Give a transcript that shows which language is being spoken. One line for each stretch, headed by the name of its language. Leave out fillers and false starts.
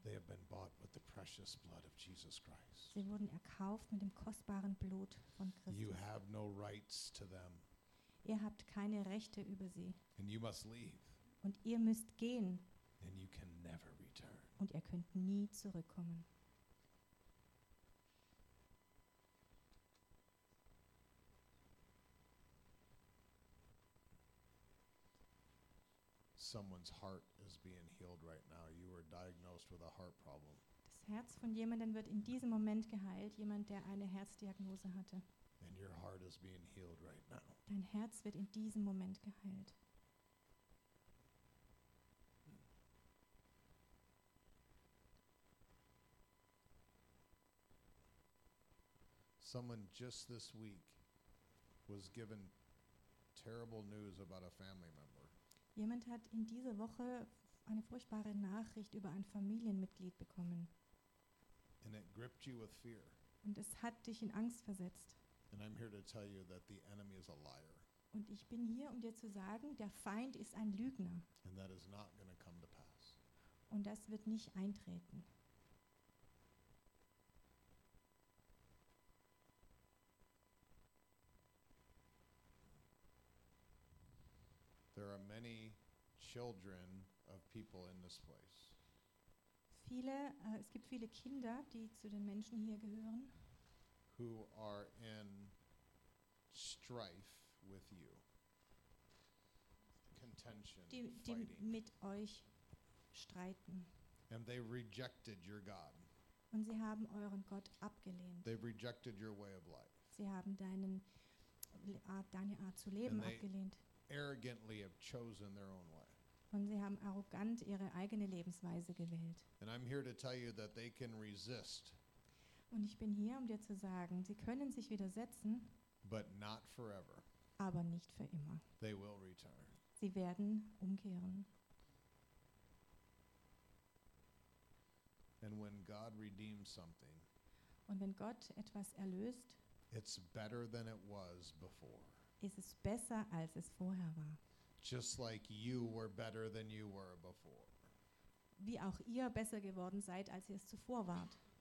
English: They have been bought with the precious blood of Jesus Christ.
German: Sie wurden erkauft mit dem kostbaren Blut von Christus.
English: You have no rights to them.
German: Ihr habt keine Rechte über sie.
English: And you must leave.
German: Und ihr müsst gehen.
English: And you can never return.
German: Und ihr könnt nie zurückkommen.
English: Someone's heart is being healed right now. You were diagnosed with a heart problem.
German: Das Herz von jemandem wird in diesem Moment geheilt, jemand, der eine Herzdiagnose hatte.
English: And your heart is being healed right now.
German: Dein Herz wird in diesem Moment geheilt.
English: Someone just this week was given terrible news about a family member.
German: Jemand hat in dieser Woche eine furchtbare Nachricht über ein Familienmitglied bekommen.
English: And it gripped you with fear.
German: Und es hat dich in Angst versetzt.
English: And I'm here to tell you that the enemy is a liar.
German: Und ich bin hier, um dir zu sagen, der Feind ist ein Lügner.
English: And that is not gonna come to pass.
German: Und das wird nicht eintreten.
English: There are many children of people in this place.
German: Es gibt viele Kinder, die zu den Menschen hier gehören.
English: Who are in strife with you. Contention, fighting.
German: Die mit euch streiten.
English: And they rejected your God.
German: Und sie haben euren Gott abgelehnt.
English: They rejected your way of life.
German: Sie haben deine Art zu leben abgelehnt.
English: Arrogantly have chosen their own way.
German: Und sie haben arrogant ihre eigene Lebensweise gewählt.
English: And I'm here to tell you that they can resist.
German: Und ich bin hier, um dir zu sagen, sie können sich widersetzen.
English: But not forever.
German: Aber nicht für immer.
English: They will return.
German: Sie werden umkehren.
English: And when God redeems something,
German: und wenn Gott etwas erlöst,
English: it's better than it was before.
German: Ist es besser, als es vorher war.
English: Just like you were better than you were before.
German: Wie auch ihr besser geworden seid, als ihr es zuvor wart.